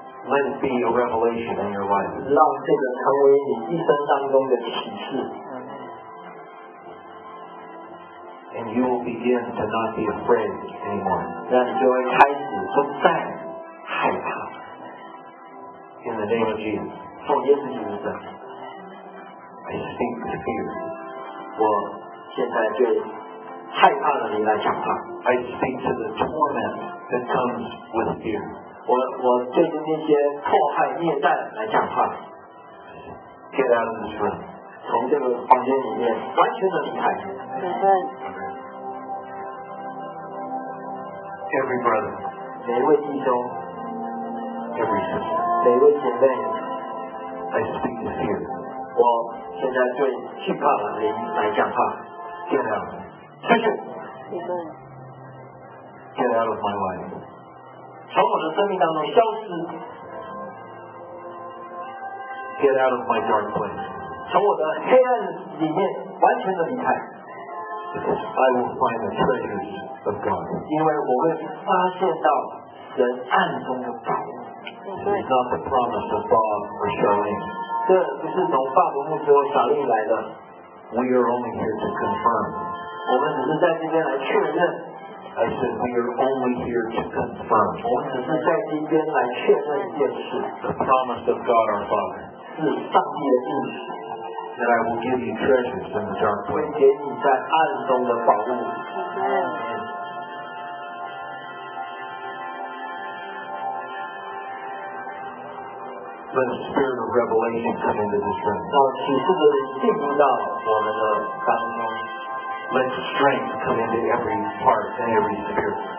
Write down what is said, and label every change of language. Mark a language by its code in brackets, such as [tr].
[en] Let it be a revelation in your life. [zh] 让这个成为你一生当中的启示。 [en] And you will begin to not be afraid anymore. [zh] 让你就会开始不再害怕。 [en] In the name of Jesus. [zh] 奉耶稣基督的。 [en] I speak to fear. [zh] 我现在对害怕的你来讲话。 [en] I speak to the torment that comes with fear. [zh] 我对那些迫害虐待来讲话。 [en] Get out of this room. [zh] 从这个房间里面完全的离开。 [en] Every brother. [zh] 每位弟兄。 [en] Every sister. [zh] 每位姐妹。 [en] I speak to fear. [zh] 我现在对惧怕的人来讲话。 [en] Get out. [zh] 出去。 [en] Amen. Get out of my life. [zh] 从我的生命当中消失。 [en] Get out of my dark place. [zh] 从我的黑暗里面完全的离开。 [en] Because I will find the treasures of God. [zh] 因为我会发现到神暗中的宝物。 [en] It's not the promise of Bob or Charlene. [zh] 这不是从爸爸牧师和小丽来的。 [en] We are only here to confirm. [zh] 我们只是在这边来确认。 [en] I said we are only here to confirm. [zh] 我们只是在这边来确认一件事。 [en] The promise of God our Father. [zh] 是上帝的应许。 [en] That I will give you treasures in the dark place. Let the spirit of revelation come into this room. Let strength come into every heart and every spirit.